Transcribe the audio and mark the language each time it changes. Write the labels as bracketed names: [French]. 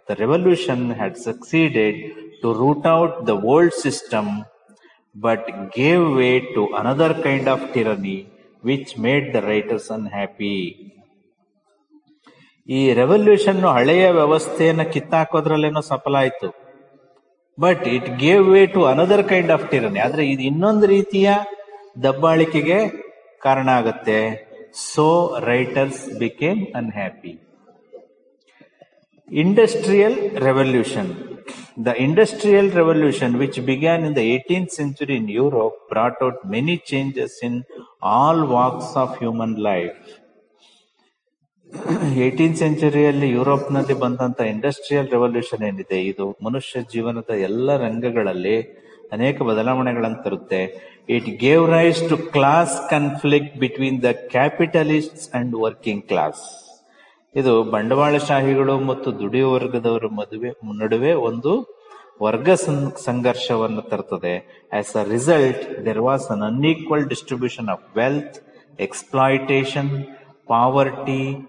[English] The revolution had succeeded to root out the old system but gave way to another kind of tyranny which made the writers unhappy. [Kannada] ಈ revolution ಹಳೆಯ ವ್ಯವಸ್ಥೆಯನ್ನು ಕಿತ್ತಾಕೋದ್ರಲ್ಲೇನೋ ಸಫಲ ಆಯ್ತು, [English] but it gave way to another kind of tyranny [Kannada] ಆದ್ರೆ ಇದು ಇನ್ನೊಂದು ರೀತಿಯ ದಬ್ಬಾಳಿಕೆಗೆ ಕಾರಣ ಆಗುತ್ತೆ. [English] So writers became unhappy. Industrial Revolution. The Industrial Revolution, which began in the 18th century in Europe, brought out many changes in all walks of human life. [Kannada] 18th century alli Europe nalli bandanta Industrial Revolution enide idu manushya jeevanada ella rangagalalli ಅನೇಕ ಬದಲಾವಣೆಗಳನ್ನು ತರುತ್ತೆ. [English] It gave rise to class conflict between the capitalists and working class. [Kannada] ಇದು ಬಂಡವಾಳಶಾಹಿಗಳು ಮತ್ತು ದುಡಿಯುವ ವರ್ಗದವರ ನಡುವೆ ಒಂದು ವರ್ಗ ಸಂಘರ್ಷವನ್ನು ತರುತ್ತದೆ. [English] as a result there was an unequal distribution of wealth, exploitation, poverty,